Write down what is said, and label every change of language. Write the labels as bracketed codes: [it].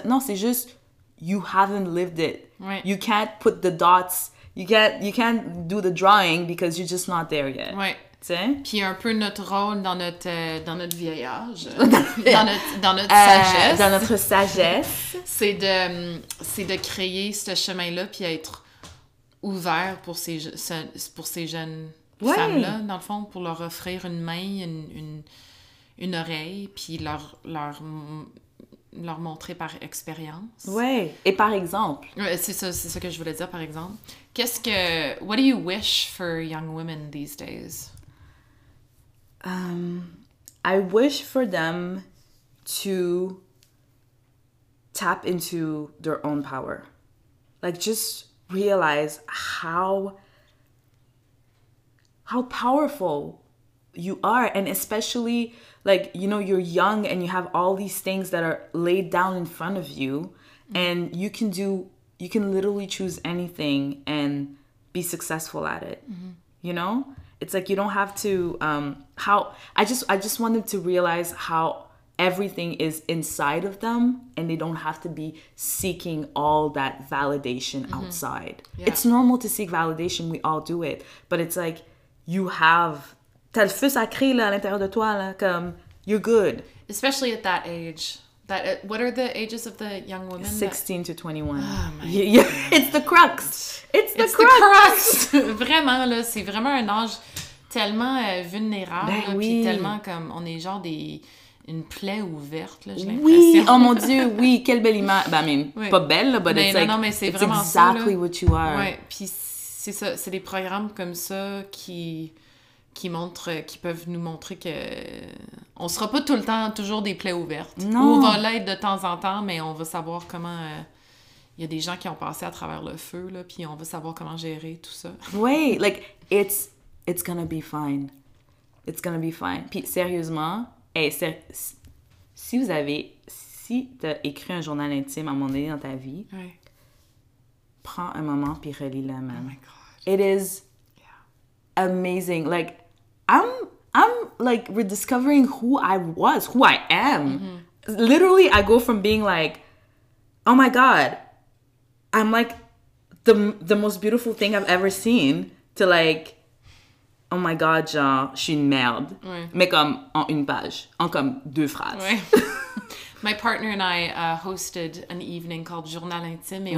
[fr] Non, c'est juste, [en] you haven't lived it. Right. You can't put the dots. You can't do the drawing because you're just not there yet. [fr] Oui. Tu sais? Puis un peu notre rôle dans notre vieillage, dans notre sagesse. c'est de créer ce chemin-là puis être... ouvert pour ces jeunes femmes-là, dans le fond, pour leur offrir une main, une oreille, puis leur montrer par expérience. Ouais, et par exemple. Ouais, c'est ça que je voulais dire, par exemple. [en] What do you wish for young women these days? I wish for them to tap into their own power. Like, just... realize how powerful you are, and especially, like, you know, you're young and you have all these things that are laid down in front of you, and you can literally choose anything and be successful at it. Mm-hmm. You know, it's like you don't have to I just want them to realize how everything is inside of them and they don't have to be seeking all that validation mm-hmm. outside. Yeah. It's normal to seek validation. We all do it. But it's like, you have... [fr] T'as le feu sacré là, à l'intérieur de toi, là, comme, [en] you're good. Especially at that age. That what are the ages of the young women? 16 to 21. Oh my God. It's the crux. It's the crux. [fr] Vraiment, là, c'est vraiment un âge tellement vulnérable. Ben, oui. Puis tellement comme, on est genre des... une plaie ouverte, là, j'ai oui, l'impression. Oui! Oh mon Dieu, oui! Quelle belle image! Ben, [en] I mean, [fr] oui. Pas belle, là, [en] but [fr] mais [en] it's [fr] non, [en] like... [fr] Non, mais c'est [en] it's [fr] vraiment [en] exactly [fr] ça, [en] what you are. [fr] Oui, puis c'est ça. C'est des programmes comme ça qui peuvent nous montrer que... on sera pas tout le temps toujours des plaies ouvertes. Non! Ou on va l'être de temps en temps, mais on va savoir comment... Il y a des gens qui ont passé à travers le feu, là, puis on va savoir comment gérer tout ça. [en] Oui! Like, it's gonna be fine. It's gonna be fine. [fr] Puis sérieusement... Hey, si t'as écrit un journal intime à un moment donné dans ta vie, ouais. Prends un moment puis relis-le, man. [en] Oh my God. It is amazing. Like, I'm like rediscovering who I was, who I am. Mm-hmm. Literally, I go from being like, oh my God, I'm like the most beautiful thing I've ever seen to like, oh my God, [fr] genre, je suis une merde. Oui. Mais comme en une page, en comme deux phrases. Oui. [en] My partner and I hosted an evening called Journal Intime et